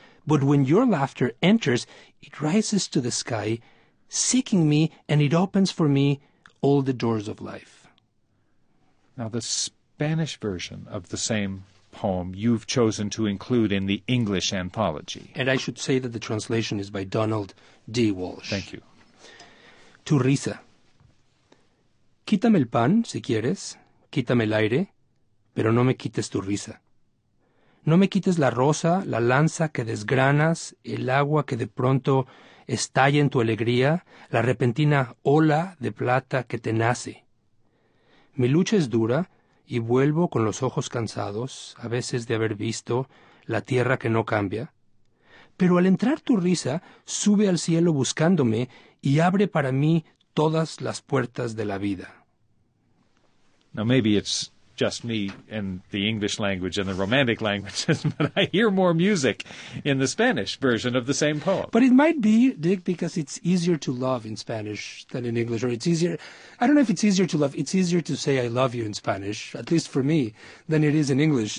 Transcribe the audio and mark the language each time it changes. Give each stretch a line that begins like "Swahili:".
English: But when your laughter enters, it rises to the sky, seeking me, and it opens for me all the doors of life. Now the Spanish version of the same poem you've chosen to include in the English anthology. And I should say that the translation is by Donald D. Walsh. Thank you.
Spanish: Tu risa. Quítame el pan, si quieres. Quítame el aire, pero no me quites tu risa. No me quites la rosa, la lanza que desgranas, el agua que de pronto estalla en tu alegría, la repentina ola de plata que te nace. Mi lucha es dura, y vuelvo con los ojos cansados, a veces de haber visto la tierra que no cambia. Pero al entrar tu risa, sube al cielo buscándome y abre para mí todas las puertas de la vida.
English: Now maybe it's just me and the English language and the romantic languages, but I hear more music in the Spanish version of the same poem. But it might be, Dick, because it's easier to love in Spanish than in English, or it's easier, I don't know if it's easier to love, it's easier to say I love you in Spanish, at least for me, than it is in English.